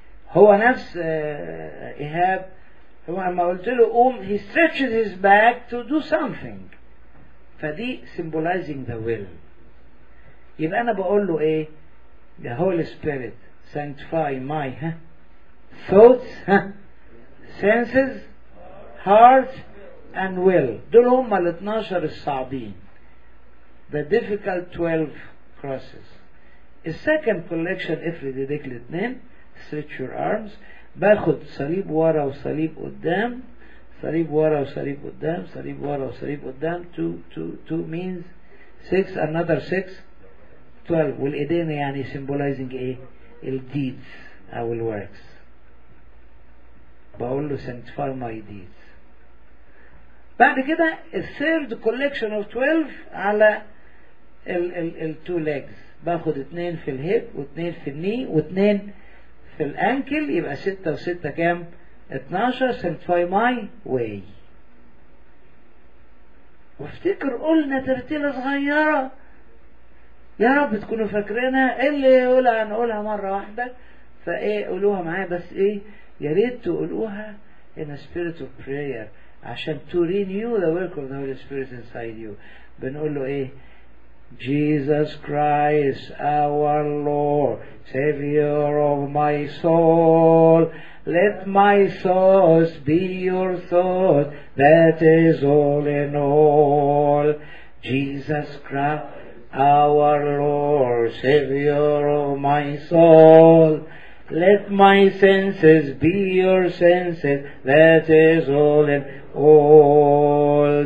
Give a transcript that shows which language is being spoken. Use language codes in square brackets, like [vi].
[ar] هو نفس إيهاب لما قلت له قوم, [en] he stretches his back to do something. [ar] فدي [en] symbolizing the will. [ar] يبقى أنا بقول له إيه؟ [en] The Holy Spirit sanctify my thoughts, senses, heart and will. [ar] دول هم ال 12 الصعبين, [en] the difficult 12 crosses. The second collection, [ar] افرد ايديك الاثنين, [en] stretch your arms, [ar] باخد صليب ورا وصليب قدام, صليب ورا وصليب قدام, صليب ورا وصليب قدام. [en] 2 means 6, another 6, 12. [ar] والايدين يعني [en] symbolizing [ar] ايه؟ ال deeds او ال works. بقول له [en] sanctify my deeds. [ar] بعد كده [en] الثيرد collection of 12 [ar] على [en] التو ليجز, [ar] باخد 2 في الهيب و2 في الني و2 في الانكل, يبقى 6 و6 كام؟ 12. [en] Sanctify my way. [ar] وافتكر قلنا ترتيله صغيره, يا رب تكونوا فاكرينها, اللي يقولها هنقولها مره واحده, فايه قولوها معايا, بس ايه يا ريت تقولوها [en] in a spirit of prayer [ar] عشان [en] to renew the work of the Holy Spirit inside you. [ar] بنقول له ايه؟ [en] Jesus Christ our Lord, Savior of my soul, let my thoughts be your thought, that is all in all. Jesus Christ our Lord, Savior of my soul, let my senses be your senses, that is all in all.